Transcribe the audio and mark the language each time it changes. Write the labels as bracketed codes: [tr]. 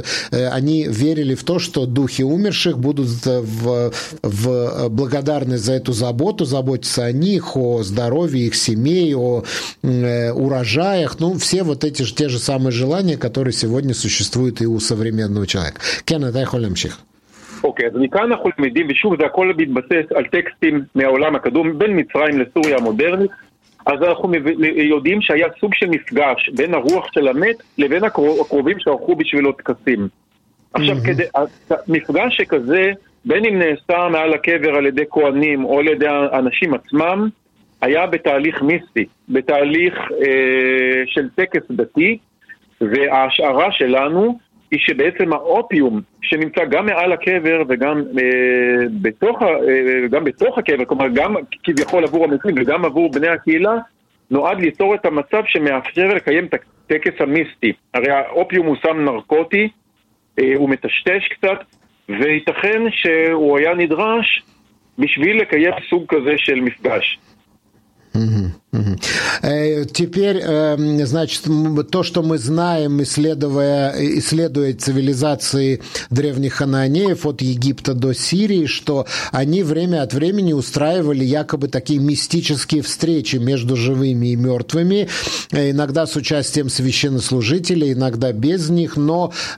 [ru] Они верили в то, что духи умерших будут в благодарны за эту заботу, заботиться о них, о здоровье их семей, о урожаях. Ну, все вот эти же те же самые желания, которые сегодня существуют и у современного человека. Кеннет, дай холем чих. [he] אוקיי, אז מכאן אנחנו למדים, ושוב, זה הכל מתבסס על טקסטים מהעולם הקדום, בין מצרים לסוריה המודרנית, אז אנחנו יודעים שהיה סוג של מפגש בין הרוח של המת לבין הקרובים שערכו בשבילו טקסים. עכשיו, כדי, מפגש שכזה, בין אם נעשה מעל הקבר על ידי כהנים או על ידי אנשים עצמם, היה בתהליך מיסטי, בתהליך של טקס דתי, וההשערה שלנו היא שבעצם האופיום שנמצא גם מעל הקבר וגם בתוך הקבר, כלומר גם כביכול עבור המתים וגם עבור בני הקהילה, נועד ליצור את המצב שמאפשר לקיים את הטקס המיסטי. הרי האופיום הוא סם נרקוטי, הוא מטשטש קצת, וייתכן שהוא היה נדרש בשביל לקיים סוג כזה של מפגש. [ru] Теперь, значит, то, что мы знаем, исследуя цивилизации древних хананеев от Египта до Сирии, что они время от времени устраивали якобы такие мистические встречи между живыми и мертвыми, иногда с участием священнослужителей, иногда без них, но